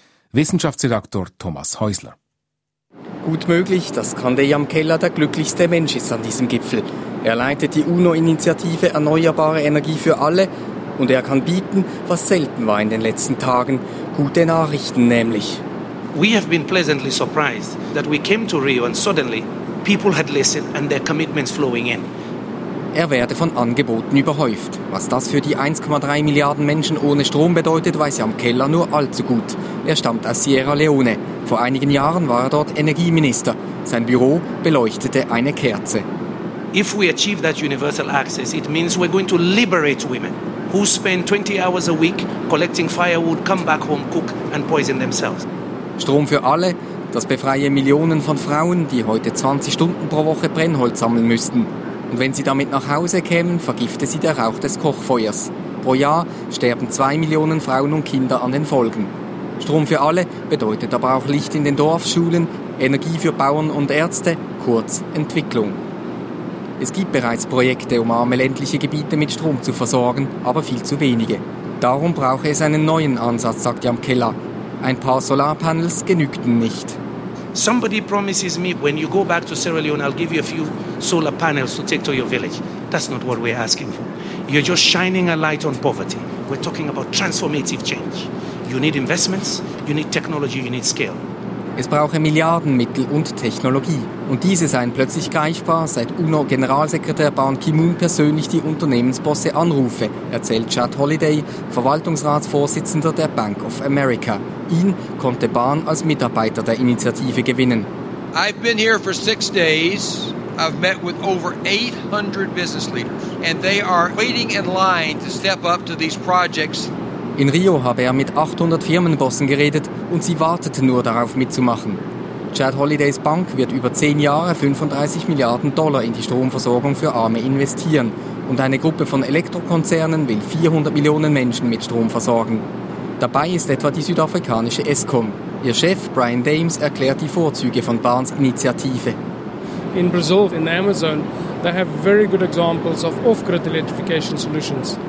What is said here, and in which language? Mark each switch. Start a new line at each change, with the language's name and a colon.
German: Wissenschaftsredaktor Thomas Häusler. Gut möglich, dass Kandeyam Keller der glücklichste Mensch ist an diesem Gipfel. Er leitet die UNO-Initiative Erneuerbare Energie für alle und er kann bieten, was selten war in den letzten Tagen, gute Nachrichten nämlich.
English: We have been pleasantly surprised that we came to Rio and suddenly people had listened and their commitments flowing in.
German: Er werde von Angeboten überhäuft. Was das für die 1,3 Milliarden Menschen ohne Strom bedeutet, weiß Jam Keller nur allzu gut. Er stammt aus Sierra Leone. Vor einigen Jahren war er dort Energieminister. Sein Büro beleuchtete eine Kerze.
English: If we achieve that universal access, it means we're going to liberate women. who spend 20 hours a week collecting firewood, come back home, cook and poison themselves.
German: Strom für alle, das befreie Millionen von Frauen, die heute 20 Stunden pro Woche Brennholz sammeln müssten. Und wenn sie damit nach Hause kämen, vergifte sie der Rauch des Kochfeuers. Pro Jahr sterben 2 Millionen Frauen und Kinder an den Folgen. Strom für alle bedeutet aber auch Licht in den Dorfschulen, Energie für Bauern und Ärzte, kurz Entwicklung. Es gibt bereits Projekte, um arme ländliche Gebiete mit Strom zu versorgen, aber viel zu wenige. Darum brauche es einen neuen Ansatz, sagt Jan Keller. Ein paar Solarpanels genügten nicht.
English: Somebody promises me, when you go back to Sierra Leone, I'll give you a few solar panels to take to your village. That's not what we're asking for. You're just shining a light on poverty. We're talking about transformative change. You need investments, you need technology, you need scale.
German: Es brauche Milliardenmittel und Technologie. Und diese seien plötzlich greifbar, seit UNO-Generalsekretär Ban Ki-moon persönlich die Unternehmensbosse anrufe, erzählt Chad Holiday, Verwaltungsratsvorsitzender der Bank of America. Ihn konnte Ban als Mitarbeiter der Initiative gewinnen.
English: I've been here for 6 days. I've met with over 800 business leaders. And they are waiting in line to step up to these projects.
German: In Rio habe er mit 800 Firmenbossen geredet und sie warteten nur darauf mitzumachen. Chad Holidays Bank wird über 10 Jahre 35 Milliarden Dollar in die Stromversorgung für Arme investieren und eine Gruppe von Elektrokonzernen will 400 Millionen Menschen mit Strom versorgen. Dabei ist etwa die südafrikanische Eskom. Ihr Chef Brian Dames erklärt die Vorzüge von Barnes Initiative.
English: In Brazil, in the Amazon, they have very good examples of off-grid electrification solutions.